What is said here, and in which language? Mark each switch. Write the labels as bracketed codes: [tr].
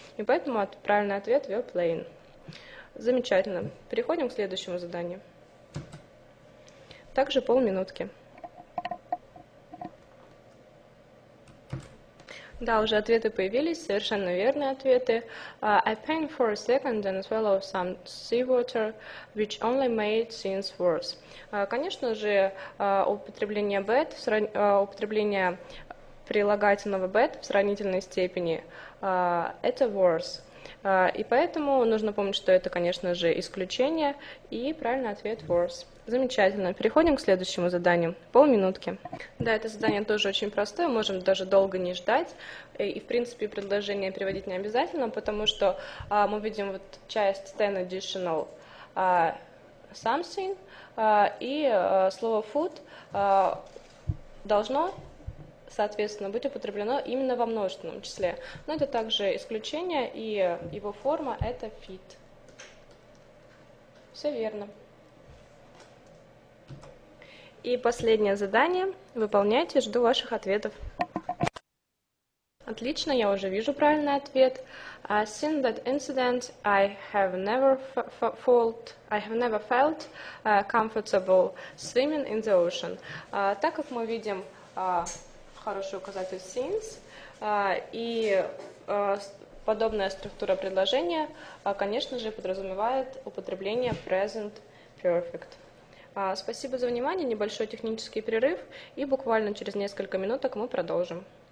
[ru] И поэтому правильный ответ – we're playing. Замечательно. Переходим к следующему заданию. Также полминутки. Да, уже ответы появились, совершенно верные ответы. [en] I panicked for a second and swallowed some seawater, which only made things worse. [ru] Конечно же, употребление bad, употребление прилагательного bad в сравнительной степени – это worse. И поэтому нужно помнить, что это, конечно же, исключение, и правильный ответ – worse. Замечательно. Переходим к следующему заданию. Полминутки. Да, это задание тоже очень простое. Можем даже долго не ждать. И, в принципе, предложение приводить не обязательно, потому что мы видим вот часть ten additional something. И слово food должно, соответственно, быть употреблено именно во множественном числе. Но это также исключение, и его форма – это feed. Все верно. И последнее задание. Выполняйте, жду ваших ответов. Отлично, я уже вижу правильный ответ. [en] Since that incident, I have never felt comfortable swimming in the ocean. [ru] Так как мы видим хороший указатель since, и подобная структура предложения, конечно же, подразумевает употребление present perfect. Спасибо за внимание, небольшой технический перерыв, и буквально через несколько минуток мы продолжим.